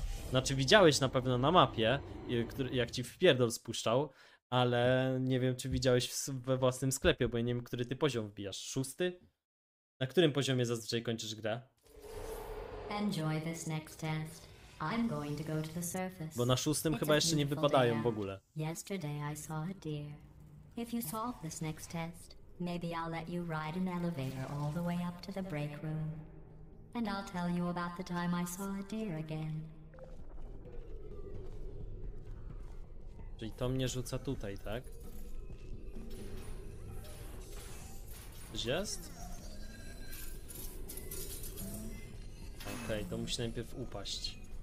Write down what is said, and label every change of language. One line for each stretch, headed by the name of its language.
Polish: Znaczy widziałeś na pewno na mapie, jak ci wpierdol spuszczał, ale nie wiem, czy widziałeś we własnym sklepie, bo ja nie wiem, który ty poziom wbijasz. 6? Na którym poziomie zazwyczaj kończysz grę?
English: Enjoy this next test. I'm going to go to the surface.
Polish: Bo na 6 chyba jeszcze nie wypadają w ogóle.
English: Yesterday I saw a deer. If you solve this next test, maybe I'll let you ride an elevator all the way up to the break room. And I'll tell you about the time I saw a deer again.
Polish: Czyli to mnie rzuca tutaj, tak? Jest? Okej, to musi najpierw upaść.